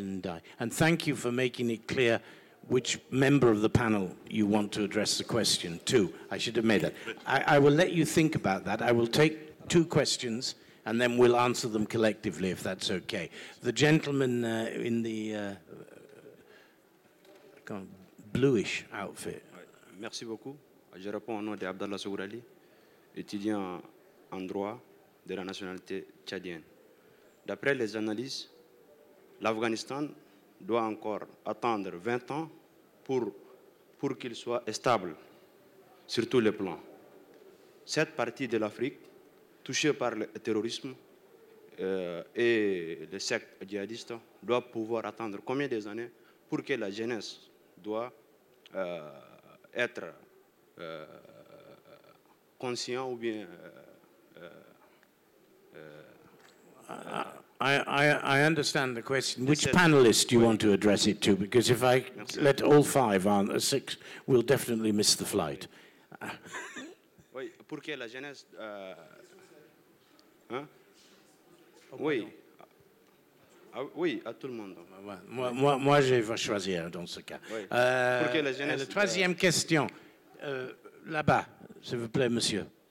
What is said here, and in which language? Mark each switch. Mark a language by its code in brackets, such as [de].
[en] Ndiaye, and thank you for making it clear which member of the panel you want to address the question to. I should have made that. I will let you think about that. I will take two questions, and then we'll answer them collectively, if that's okay. The gentleman in the bluish outfit. [fr] Merci beaucoup. Je réponds au nom de Abdallah Sourali, étudiant en droit de la nationalité tchadienne. D'après les analyses, l'Afghanistan doit encore attendre 20 ans pour qu'il soit stable sur tous les plans. Cette partie de l'Afrique, touchée par le terrorisme et les sectes djihadistes, doit pouvoir attendre combien des années pour que la jeunesse doit être conscient ou bien... [en] I understand the question. Which panelist do you want to address it to? Because if I let all five on, six, we'll definitely miss the flight. [fr] Oui, pour que la jeunesse... Oui. Oui, à tout le monde. Moi, je vais choisir dans ce cas. Pour que la jeunesse... La troisième question, là-bas, s'il vous plaît, monsieur.